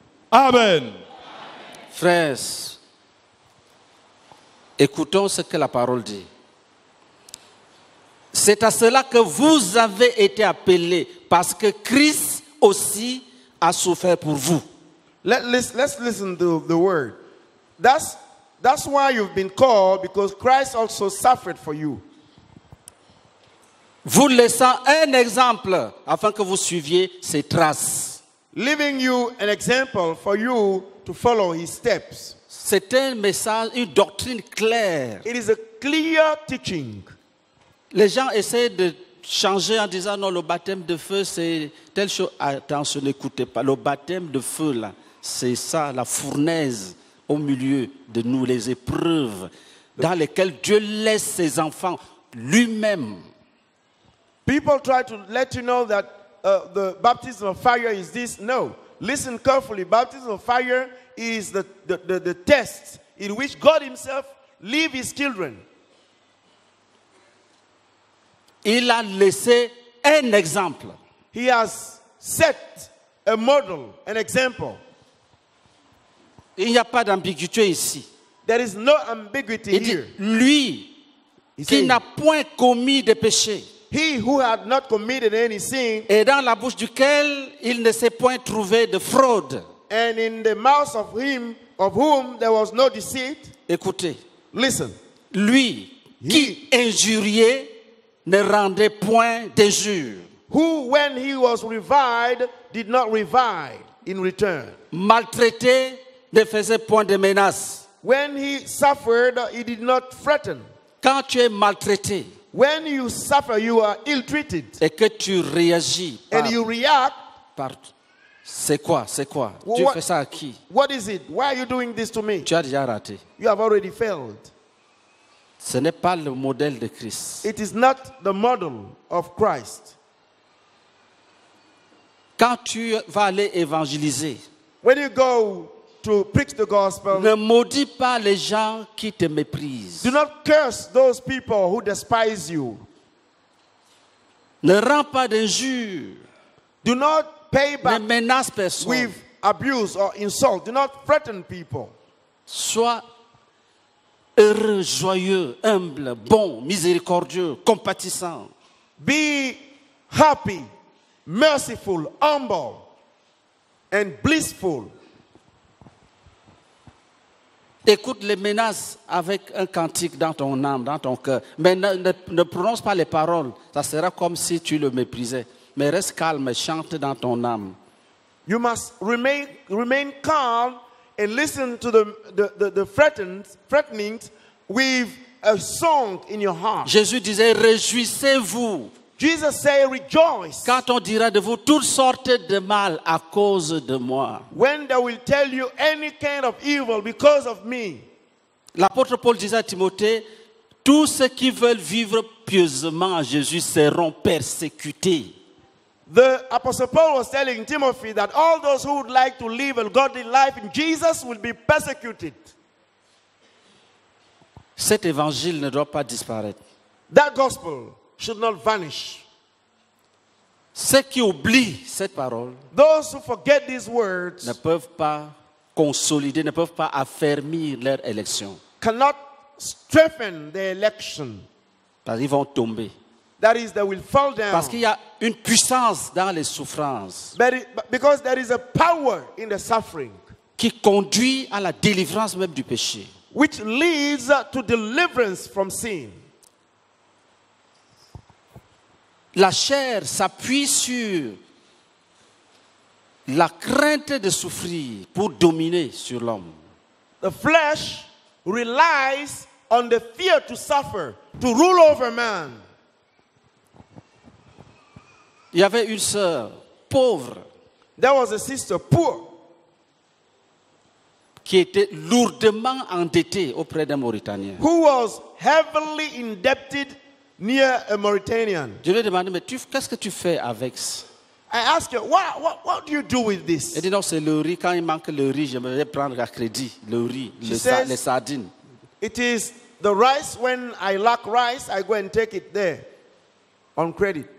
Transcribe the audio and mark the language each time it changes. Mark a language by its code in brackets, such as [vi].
[fr] Amen. Frères, écoutons ce que la parole dit. C'est à cela que vous avez été appelés, parce que Christ aussi a souffert pour vous. [en] Let's listen to the word. That's why you've been called, because Christ also suffered for you. [fr] Vous laissant un exemple afin que vous suiviez ses traces. [en] Leaving you an example for you to follow his steps. [fr] C'est un message, une doctrine claire. [en] It is a clear teaching. [fr] Les gens essaient de changer en disant non, le baptême de feu c'est telle chose. Attention, n'écoutez pas. Le baptême de feu là, c'est ça, la fournaise au milieu de nous, les épreuves dans lesquelles Dieu laisse ses enfants lui-même. [en] People try to let you know that the baptism of fire is this. No, listen carefully. Baptism of fire is the test in which God himself leaves his children. [fr] Il a laissé un exemple. [en] He has set a model, an example. [fr] Il n'y a pas d'ambiguïté ici. [en] There is no ambiguity [fr] dit, [en] here. [fr] Lui, qui n'a point commis de péché. [en] He who had not committed any sin, [fr] et dans la bouche duquel il ne s'est point trouvé de fraude, [en] and in the mouth of him of whom there was no deceit, [fr] écoutez, [en] listen, [fr] lui qui injurié ne rendait point d'injure, [en] who when he was reviled did not revile in return, [fr] maltraité ne faisait point de menace, [en] when he suffered he did not threaten. [fr] Quand tu es maltraité, [en] when you suffer, you are ill-treated. [fr] Et que tu réagis par, [en] and you react. [fr] Par, c'est quoi? Tu fais ça à qui? [en] What is it? Why are you doing this to me? [fr] Tu as déjà raté. [en] You have already failed. [fr] Ce n'est pas le modèle de Christ. [en] It is not the model of Christ. [fr] Quand tu vas aller évangéliser, [en] when you go to preach the gospel. [fr] Ne maudis pas les gens qui te méprisent. [en] Do not curse those people who despise you. [fr] Ne rends pas d'injures. [en] Do not pay back. [fr] Ne menace personne. [en] With abuse or insult. Do not threaten people. [fr] Sois heureux, joyeux, humble, bon, miséricordieux, compatissant. [en] Be happy, merciful, humble, and blissful. [fr] Écoute les menaces avec un cantique dans ton âme, dans ton cœur. Mais ne prononce pas les paroles. Ça sera comme si tu le méprisais. Mais reste calme, chante dans ton âme. [en] You must remain calm and listen to the threatenings with a song in your heart. [fr] Jésus disait, réjouissez-vous. [en] Jesus said, rejoice. [fr] Quand on dira de vous toutes sortes de mal à cause de moi. [en] When they will tell you any kind of evil because of me. [fr] L'apôtre Paul disait à Timothée, tous ceux qui veulent vivre pieusement en Jésus seront persécutés. [en] The apostle Paul was telling Timothy that all those who would like to live a godly life in Jesus will be persecuted. [fr] Cet évangile ne doit pas disparaître. [en] That gospel should not vanish. [fr] Ceux qui oublient cette parole, [en] those who forget these words, [fr] ne peuvent pas consolider, ne peuvent pas affermir leur élection. [en] Cannot strengthen their election. [fr] Parce qu'ils vont tomber. [en] That is, they will fall down. [fr] Parce qu'il y a une puissance dans les souffrances. [en] Because there is a power in the suffering. [fr] Qui conduit à la délivrance même du péché. [en] Which leads to deliverance from sin. [fr] La chair s'appuie sur la crainte de souffrir pour dominer sur l'homme. [en] The flesh relies on the fear to suffer to rule over man. [fr] Il y avait une sœur pauvre. [en] There was a sister poor. [fr] Qui était lourdement endettée auprès d'un Mauritanien. [en] Who was heavily indebted near a Mauritanian. [fr] Je lui ai demandé, mais qu'est-ce que tu fais avec ça? [en] I asked her, what do you do with this? [fr] Elle dit non, c'est le riz. Quand il manque le riz, je vais prendre à crédit le riz, les sardines. [en] It is the rice. When I lack rice, I go and take it there on credit.